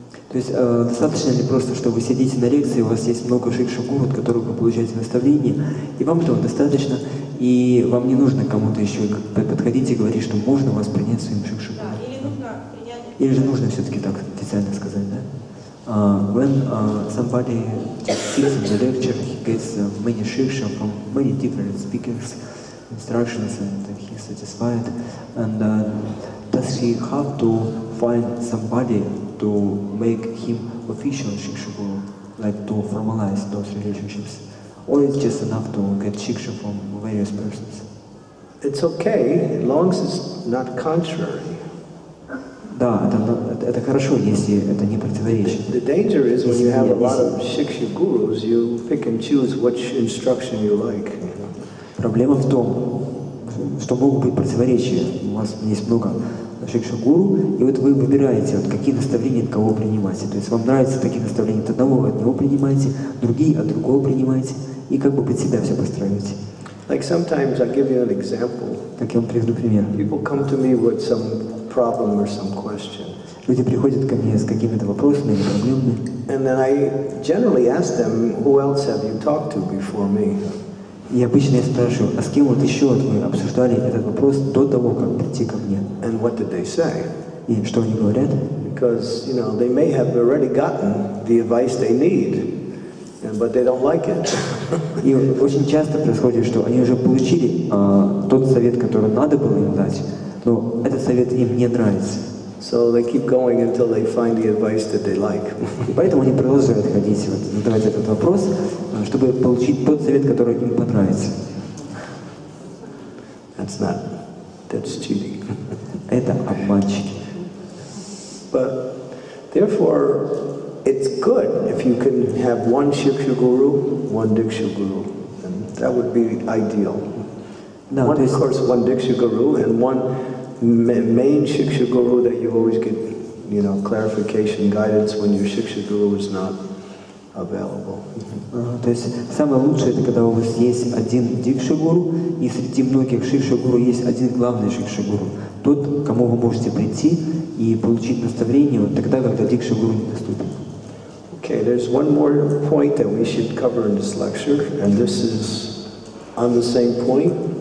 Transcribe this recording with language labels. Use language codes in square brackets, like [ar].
[ru] То есть достаточно ли просто, что вы сидите на лекции, у вас есть много шикшагуру, от которых вы получаете наставление, и вам этого достаточно, и вам не нужно кому-то еще подходить и говорить, что можно вас принять своим шикшагуру. Да, или нужно принять. Или же нужно все-таки так официально сказать, да? [en] When somebody sits in the lecture, he gets many shiksha from many different speakers, instructions, and he's satisfied. And does he have to find somebody to make him official shiksha guru, like to formalize those relationships? Or is it just enough to get shiksha from various persons? It's okay, as long as it's not contrary. [ru] Да, это хорошо, если это не противоречит. [en] The danger is when you have a lot of shiksha gurus, you pick and choose which instruction you like. [ru] Проблема в том, что могут быть противоречия. У вас есть много шикша гуру, и вот вы выбираете, вот, какие наставления от кого принимаете. То есть вам нравятся такие наставления, от одного от него принимаете, другие от другого принимаете, и как бы под себя все построите. [en] Like sometimes I give you an example. [ru] Так я вам приведу пример. [en] People come to me with some problem or some question. [ru] Люди приходят ко мне с какими-то вопросами или проблемами. [en] And then I generally ask them, who else have you talked to before me? [ru] И обычно я спрашиваю, а с кем вот еще вот вы обсуждали этот вопрос до того, как прийти ко мне? [en] And what did they say? [ru] И что они говорят? [en] Because, you know, they may have already gotten the advice they need, but they don't like it. [ru] И очень часто происходит, что они уже получили тот совет, который надо было им дать, но этот совет им не нравится. [en] So they keep going until they find the advice that they like. [ru] Поэтому они продолжают ходить, вот, задавать этот вопрос, чтобы получить тот совет, который им понравится. [en] That's not. That's cheating. [ru] Это обманщики. [en] But Therefore, it's good if you can have one Shiksha Guru, one Diksha Guru. That would be ideal. No, one, of course, one Diksha Guru and one main Shiksha Guru that you always get, you know, clarification, guidance when your Shiksha Guru is not available. [ru] То есть самое лучшее это когда у вас есть один Дикша Гуру и среди многих Шикша Гуру есть один главный Шикша Гуру. Тот, кому вы можете прийти и получить наставление, вот тогда, когда Дикша Гуру недоступен. [en] Okay, there's one more point that we should cover in this lecture, and this is on the same point.